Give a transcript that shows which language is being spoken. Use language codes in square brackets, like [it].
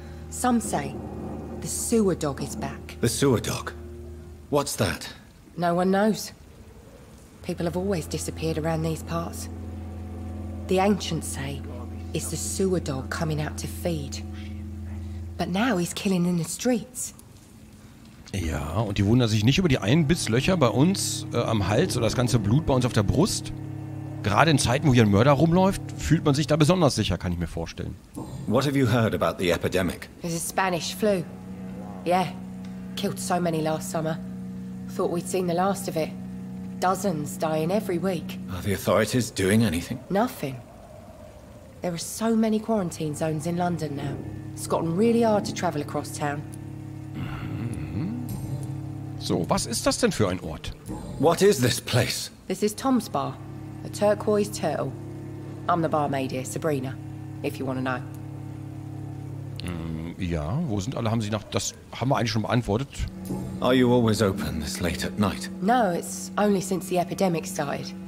[en] Some say the sewer dog is back. The sewer dog? What's that? No one knows. People have always disappeared around these parts. The ancients say it's the sewer dog coming out to feed. But now he's killing in the streets. [de] Ja, und die wundern sich nicht über die Einbisslöcher bei uns am Hals oder das ganze Blut bei uns auf der Brust? Gerade in Zeiten, wo hier ein Mörder rumläuft, fühlt man sich da besonders sicher, kann ich mir vorstellen. [en] What have you heard about the epidemic? It's a Spanish flu. Yeah, killed so many last summer. Thought we'd seen the last of it. Dozens dying every week. Are the authorities doing anything? Nothing. There are so many quarantine zones in London now. It's gotten really hard to travel across town. [de] So, was ist das denn für ein Ort? [en] What is this place? This is Tom's Bar, a turquoise turtle. I'm the barmaid here, Sabrina, if you want to know. [de] Ja, wo sind alle? Haben Sie nach... Das haben wir eigentlich schon beantwortet. [en] Are you always open this late at night? No, it's only since the epidemic started.